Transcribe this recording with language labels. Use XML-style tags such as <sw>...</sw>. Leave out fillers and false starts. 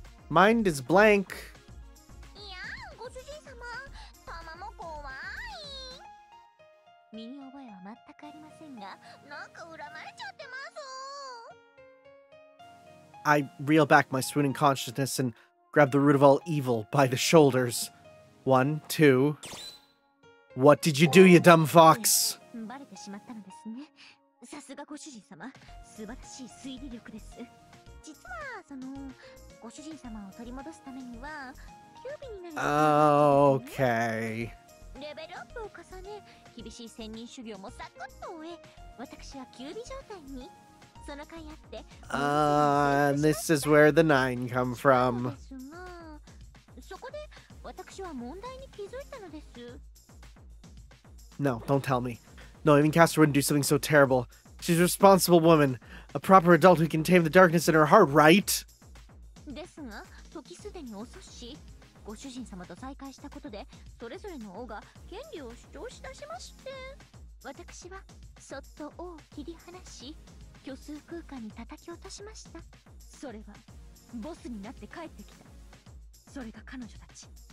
<en>Mind is blank.</en> <ja>いやご主人様、たまも怖い。身に覚えは全くありませんが、なんか恨まれちゃってます。</ja> <en>I reel back my swooning consciousness and grab the root of all evil by the shoulders. One, two. What did you do, you dumb fox?</en> <ja>バレてしまったのですね。さすがご主人様、素晴らしい推理力です。実はそのご主人様を取り戻すためにはキュービになる。</ja> <en>Okay。</en> <ja>レベルアップを重ね、厳しい仙人修行もサクッと終え、私はキュービ状態に。その甲斐あって。</ja> <en>This is where the nine come from。</en> <ja>そこで私は問題に気づいたのです。</ja> <en>No, don't tell me. No, even Caster wouldn't do something so terrible. She's a responsible woman. A proper adult who can tame the darkness in her heart, right?</en> <ja>ですが、時すでに遅し、ご主人様と再会したことで、それぞれの王が権利を主張しだしまして。私は、そっと王を切り離し、虚数空間に叩き落としました。それは、ボスになって帰ってきた。それが彼女たち。</ja>